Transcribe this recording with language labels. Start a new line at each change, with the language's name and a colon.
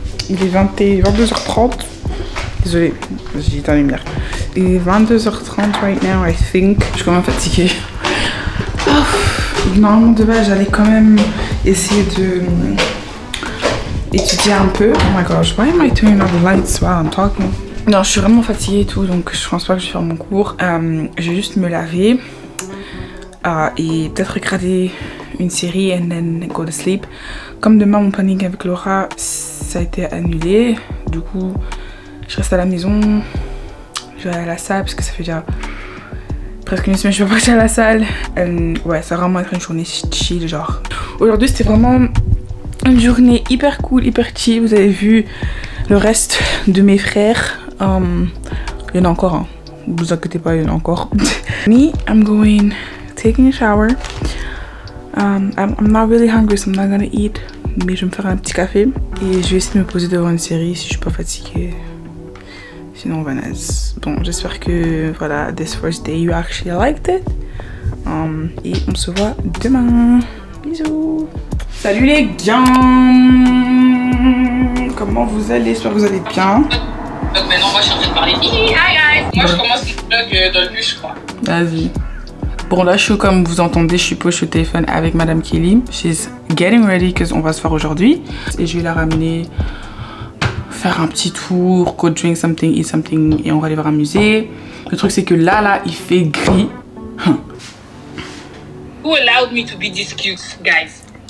French: Il est 22h30. Désolée, j'ai éteint la lumière. Il est 22h30
English: right now, I think.
French: Je suis quand même fatiguée. Normalement, de base, j'allais quand même essayer de étudier un peu.
English: Oh my gosh, why am I turning off the lights while I'm talking?
French: Non, je suis vraiment fatiguée et tout, donc je pense pas que je vais faire mon cours. Je vais juste me laver et peut-être regarder une série
English: and then go to sleep
French: comme demain mon planning avec Laura ça a été annulé, du coup je reste à la maison, je vais aller à la salle parce que ça fait déjà presque une semaine que je vais partir à la salle. Ouais, ça va vraiment être une journée chill genre. Aujourd'hui c'était vraiment une journée hyper cool, hyper chill. Vous avez vu le reste de mes frères, il y en a encore hein. Vous inquiétez pas, il y en a encore.
English: Me, I'm going taking a shower. I'm not really hungry, so I'm not gonna eat.
French: Mais je vais me faire un petit café et je vais essayer de me poser devant une série si je suis pas fatiguée. Sinon, Vanessa. Bon, j'espère que voilà,
English: this first day you actually liked it.
French: Et on se voit demain. Bisous. Salut les gars. Comment vous allez? J'espère que vous allez bien. Maintenant, moi je suis en train de parler.
English: Hi guys!
French: Moi je commence le vlog de lui, je crois. Vas-y. Bon, là je suis comme vous entendez, je suis posée au téléphone avec Madame Kelly.
English: She's getting ready,
French: parce qu'on va se faire aujourd'hui. Et je vais la ramener faire un petit tour,
English: go drink something, eat something,
French: et on va aller voir un musée. Le truc c'est que là, là il fait gris.
English: Who allowed me to be this cute, guys?